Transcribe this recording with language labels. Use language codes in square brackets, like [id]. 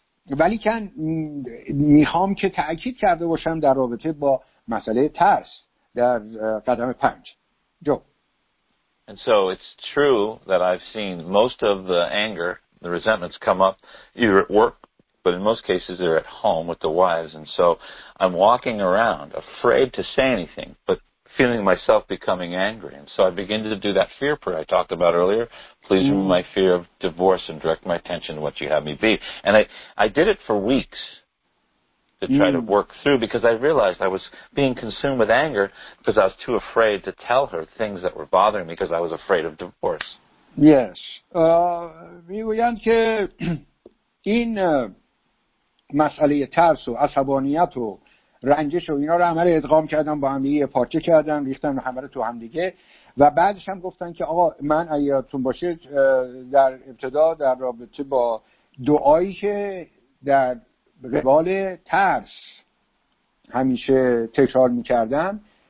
[fa] ولی که میخوام که تأکید کرده باشم در رابطه با مسئله ترس در قدم پنج. جو. [en] And so it's true that I've seen most of the anger, the resentments come up either at work, but in most cases they're at home with the wives. And so I'm walking around afraid to say anything, but feeling myself becoming angry. And so I begin to do that fear prayer I talked about earlier. Please remove my fear of divorce and direct my attention to what you have me be. And I did it for weeks to try to work through, because I realized I was being consumed with anger because I was too afraid to tell her things that were bothering me because I was afraid of divorce. Yes. [fa] میگویند که این مسئله ترس و عصبانیت و رنجش و اینا رو همه رو ادغام کردن، با هم یه پارچه کردن، ریختن همه رو تو هم دیگه، و بعدش هم گفتن که آقا من ایاتون باشه در ابتدا در رابطه با دعایی که در قبال ترس همیشه تکرار می‌کردم،